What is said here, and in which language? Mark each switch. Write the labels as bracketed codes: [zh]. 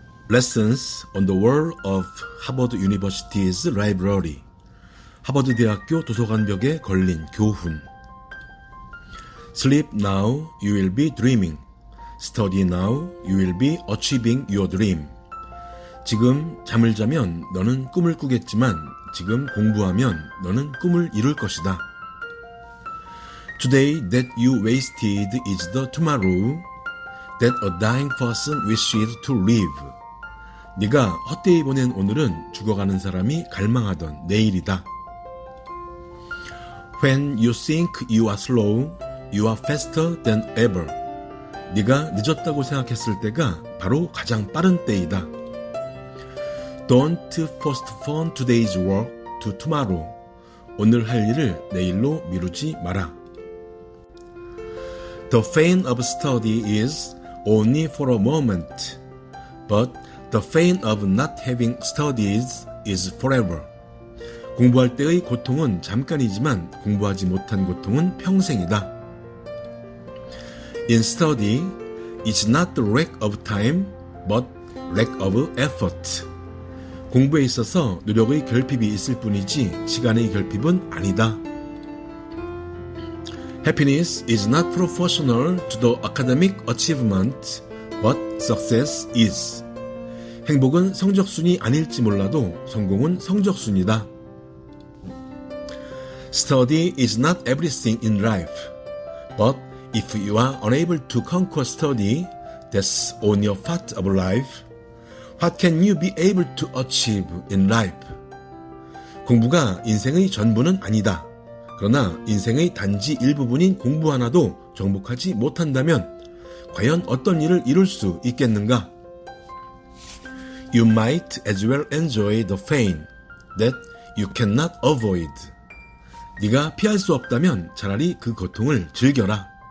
[en] Lessons on the Wall of Harvard University's Library. [ko] 하버드 대학교 도서관 벽에 걸린 교훈. [en] Sleep now, you will be dreaming. Study now, you will be achieving your dream. [ko] 지금 잠을 자면 너는 꿈을 꾸겠지만 지금 공부하면 너는 꿈을 이룰 것이다. [en] Today that you wasted is the tomorrow that a dying person wishes to live. [ko] 네가 헛되이 보낸 오늘은 죽어가는 사람이 갈망하던 내일이다. [en] When you think you are slow, you are faster than ever. [ko] 네가 늦었다고 생각했을 때가 바로 가장 빠른 때이다. [en] Don't postpone today's work to tomorrow. [ko] 오늘 할 일을 내일로 미루지 마라. [en] The pain of study is only for a moment, but the pain of not having studies is forever. [ko] 공부할 때의 고통은 잠깐이지만 공부하지 못한 고통은 평생이다. [en] In study, it's not the lack of time, but lack of effort. [ko] 공부에 있어서 노력의 결핍이 있을 뿐이지 시간의 결핍은 아니다. [en] Happiness is not proportional to the academic achievement, but success is. [ko] 행복은 성적순이 아닐지 몰라도 성공은 성적순이다. [en] Study is not everything in life, but if you are unable to conquer study, that's only a part of life. What can you be able to achieve in life? [ko] 공부가 인생의 전부는 아니다. 그러나 인생의 단지 일부분인 공부 하나도 정복하지 못한다면 과연 어떤 일을 이룰 수 있겠는가? [en] You might as well enjoy the pain that you cannot avoid. [ko] 네가 피할 수 없다면 차라리 그 고통을 즐겨라.